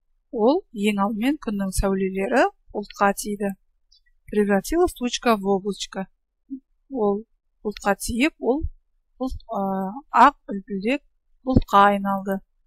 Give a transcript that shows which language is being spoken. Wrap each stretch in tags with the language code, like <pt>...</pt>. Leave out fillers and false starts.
<kk>Ол ең алдымен күннің сәулелері ұлтқа тиді.</kk> <ru>Превратилась тучка в облачко.</ru> <kk>Ол бұлтқа тиіп, ол ақ үлпілдек бұлтқа айналды.</kk>